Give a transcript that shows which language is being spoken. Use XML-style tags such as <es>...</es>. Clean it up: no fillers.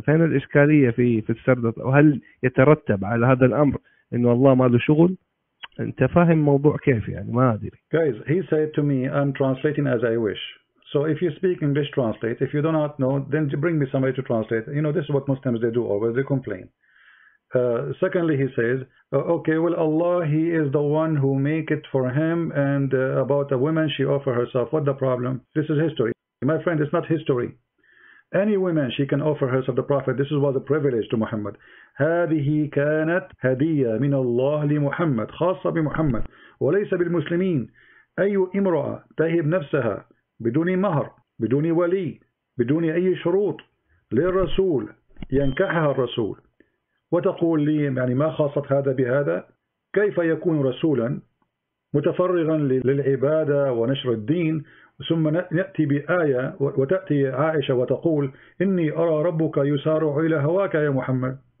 <ar>فهنا الإشكالية في السرد وهل يترتب على هذا الأمر إنه الله ما له شغل؟ أنت فاهم موضوع كيف يعني ما أدري.</ar> <en>Guys, he said to me, I'm translating as I wish. So if you speak English, translate. If you do not know, then bring me somebody to translate. You know, this is what Muslims, they do always. They complain. Secondly, he says, okay, well, Allah, he is the one who make it for him. And about a woman, she offer herself. What the problem? This is history. My friend, it's not history. Any woman, she can offer herself the Prophet. This was a privilege to Muhammad.</en> <ar>هذه كانت هدية من الله لمحمد خاصة بمحمد وليس بالمسلمين. أي امرأة تهب نفسها بدون مهر بدون ولي بدون أي شروط للرسول ينكحها الرسول وتقول لي يعني ما خاصت هذا بهذا كيف يكون رسولا متفرغا للعبادة ونشر الدين ثم نأتي بآية وتأتي عائشة وتقول إني أرى ربك يسارع إلى هواك يا محمد</ar>